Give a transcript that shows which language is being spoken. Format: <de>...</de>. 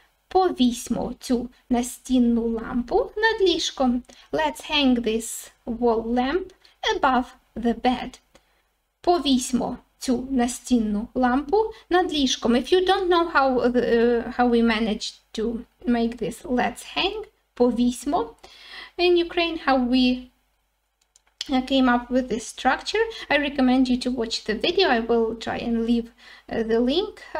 <uk>Повісьмо цю настінну лампу над ліжком.</uk> <en>Let's hang this wall lamp above the bed.</en> <uk>Повісьмо цю настінну лампу над ліжком.</uk> <en>If you don't know how we managed to make this let's hang, повісьмо, in Ukraine, how we came up with this structure, I recommend you to watch the video. I will try and leave the link</en>